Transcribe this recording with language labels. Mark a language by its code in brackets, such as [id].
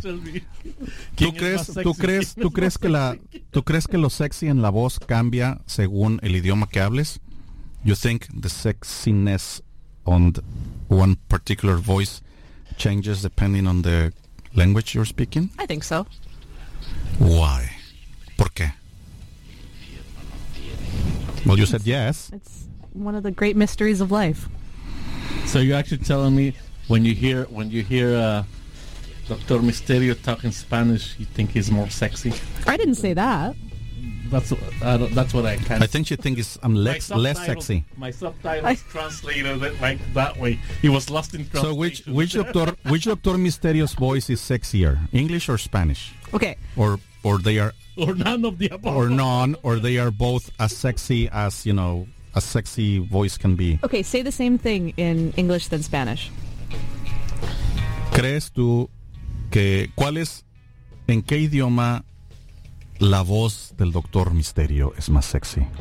[es] ¿Tú crees que lo sexy en la voz cambia según el idioma que hables? [en] You think the sexiness on one particular voice changes depending on the language you're speaking? I think so. Why? [es] ¿Por qué? [en] Well, you said yes. It's one of the great mysteries of life. So you're actually telling me when you hear Dr. Misterio talking Spanish, you think he's more sexy? I didn't say that. That's what I can't. I think you think it's I'm less sexy. My subtitles translated it like that way. He was lost in translation. So which doctor Mysterio's voice is sexier, English or Spanish? Okay. Or they are. Or none of the above. Or none. Or they are both as sexy as you know a sexy voice can be. Okay. Say the same thing in English than Spanish. [es] ¿Crees tú que cuál es en qué idioma la voz del Doctor Misterio es más sexy?